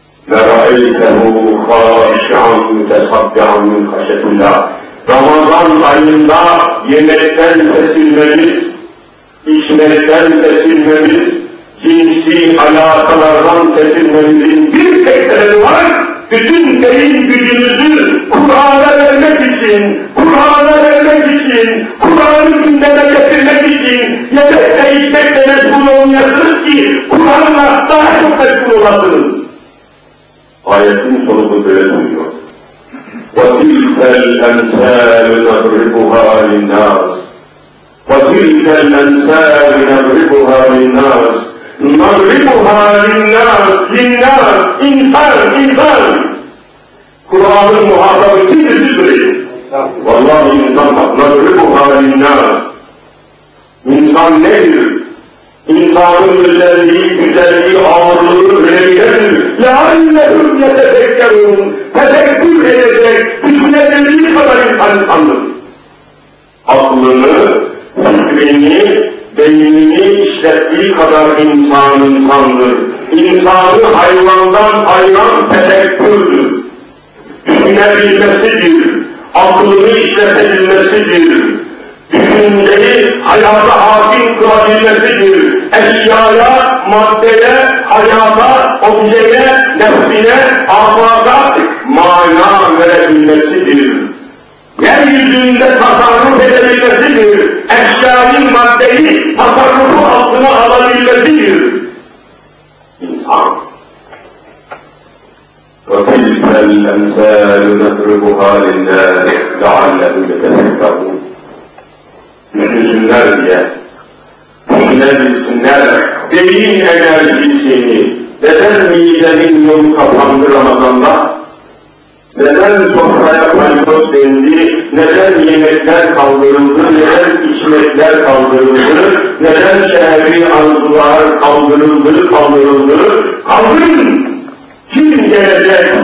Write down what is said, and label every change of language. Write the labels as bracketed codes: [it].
[ar] لَرَأَيْتَهُ خَاشِعًا مُتَصَدِّعًا مِنْ خَشْيَةِ اللّٰهِ [tr] Ramazan ayında yemekten kesilmemiz, içmekten kesilmemiz, cinsi alakalardan kesilmemizin bir tek sebebi var, bütün beyin gücümüzü Kur'an'a vermek için, Kur'an'a vermek için, Kur'an'ı gündeme getirmek için yemekle içmekle meşgul olmayasınız ki Kur'an'la daha çok meşgul olasınız. Ayetin sonu bu böyle duyuyor. [ar] وَتِلْكَ الْاَمْسَالُ نَضْرِبُهَا لِلنَّاسِ وَتِلْكَ الْاَمْسَالُ نَضْرِبُهَا لِلنَّاسِ نَضْرِبُهَا لِلنَّاسِ لِلنَّاسِ [tr] İnsan, insan! Kur'an'ın muhatabı kimdir sizleri? Vallahi insan bak, [ar] نَضْرِبُهَا لِلنَّاسِ [tr] İnsan nedir? İnsanın özelliği, güzelliği, ağırlığı, rengidir. [ar] لَعَلَّهُمْ يَتَفَكَّرُونَ [tr] Tefekkür edecek, düşünebildiği kadar insan insandır. Aklını, fikrini, beynini işlettiği kadar insan insandır. İnsanı hayvandan ayıran tefekkürdür. Düşünebilmesidir, aklını işletebilmesidir. Düşünceyi hayata hakim kılabilmesidir. Eşyaya, maddeye, hayata, objeye, nefsine, afaka mana verebilmesidir. Yeryüzünde tasarruf edebilmesidir. Eşyanın maddeyi tasarrufu altına alabilmesidir. İnsan. [ar] وَتِلْكَ الْاَمْسَالُ نَضْرِبُهَا لِلنَّاسِ لَعَلَّهُمْ يَتَفَكَّرُونَ [tr] Yüzünler diye bilebilsinler. Deyin eğer bilseğini, neden midenin yolu kapandı Ramazan'da? Neden sofraya paydos dendi, neden yemekler kaldırıldı, neden içmekler kaldırıldı, neden şehri arzular kaldırıldı? Kaldırın! Kim gelecek?